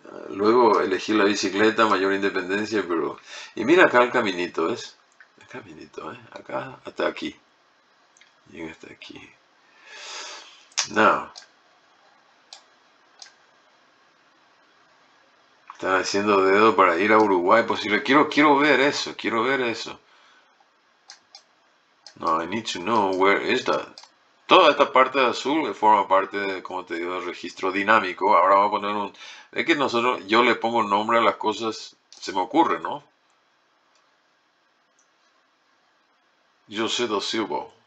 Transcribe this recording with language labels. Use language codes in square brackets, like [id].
[es] Luego elegí la bicicleta, mayor independencia, pero. Y mira acá el caminito, ¿ves? El caminito, ¿eh? Acá hasta aquí. Llega hasta aquí. No. Están haciendo dedo para ir a Uruguay, posible. Quiero ver eso, quiero ver eso. [en] No, I need to know where is that. [es] Toda esta parte de azul forma parte de, como te digo, el registro dinámico. Ahora vamos a poner un. Es que nosotros, yo le pongo nombre a las cosas, se me ocurre, ¿no? José da Silva.